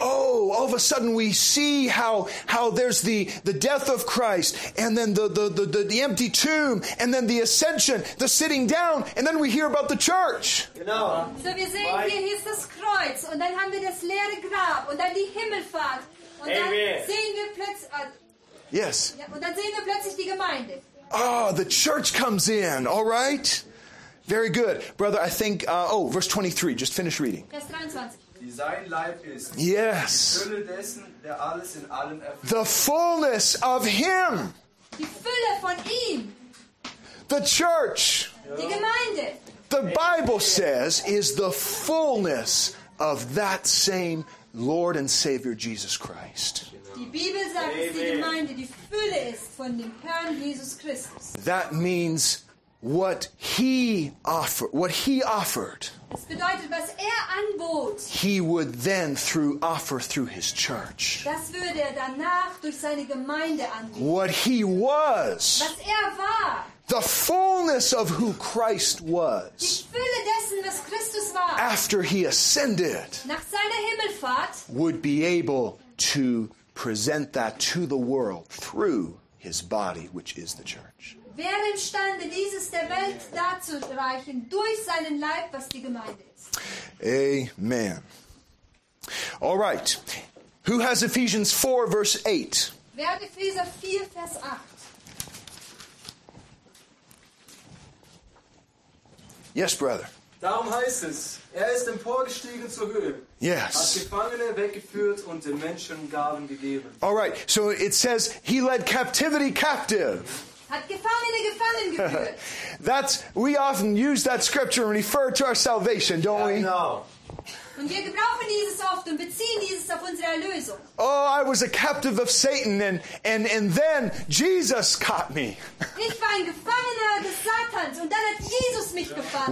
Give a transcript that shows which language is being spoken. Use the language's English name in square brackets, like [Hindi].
[English] Oh, all of a sudden we see how there's the death of Christ, and then the empty tomb, and then the ascension, the sitting down, and then we hear about the church. [German] Genau. So wir sehen hier ist das Kreuz, und dann haben wir das leere Grab, und dann die Himmelfahrt, und Amen. Dann sehen wir plötzlich. [English] Yes. [German] Und dann sehen wir plötzlich die Gemeinde. [English] Oh, the church comes in. All right. Very good. Brother, I think, verse 23, just finish reading. Yes. The fullness of Him. [German] Die Fülle von ihm. [English] The church. [German] Die Gemeinde. [English] The Bible says is the fullness of that same Lord and Savior Jesus Christ. [German] Die Bibel sagt, dass die Gemeinde die Fülle ist von dem Herrn Jesus Christus. [English] That means what he offered, [German] das bedeutet, was anbot, [English] he would then offer through his church. [German] Das würde danach durch seine Gemeinde anbieten. [English] What he was, [German] was war, [English] the fullness of who Christ was, [German] die Fülle dessen, was Christus war, [English] after he ascended, [German] nach seiner Himmelfahrt, [English] would be able to present that to the world through his body, which is the church. [German] Wäre imstande, dieses der Welt darzureichen durch seinen Leib, was die Gemeinde ist. [English] Amen. All right. Who has Ephesians 4, verse 8? [German] Wer hat Epheser 4, Vers 8? [English] Yes, brother. [German] Darum heißt es, ist emporgestiegen zur Höhe. [English] Yes. [German] Hat Gefangene weggeführt und den Menschen Gaben gegeben. [English] All right. So it says, he led captivity captive. [German] Hat Gefangene gefangen geführt. [English] That's, we often use that scripture and refer to our salvation, don't we? [German] Und wir gebrauchen dieses oft und beziehen dieses auf unsere Erlösung. [English] Oh, I was a captive of Satan and then Jesus caught me. [German] Ich war ein Gefangener des Satans und dann hat Jesus mich gefangen.